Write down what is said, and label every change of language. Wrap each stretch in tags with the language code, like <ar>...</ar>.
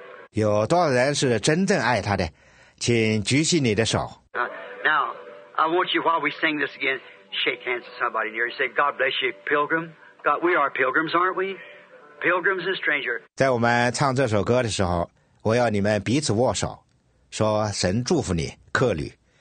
<zh>有多少人是真正爱他的？请举起你的手。</zh> <en>Now, I want you while we sing this again, shake hands with somebody near you. Say, God bless you, pilgrim. God, we are pilgrims, aren't we? Pilgrims and strangers.</en> <zh>在我们唱这首歌的时候，我要你们彼此握手，说神祝福你，客旅。</zh>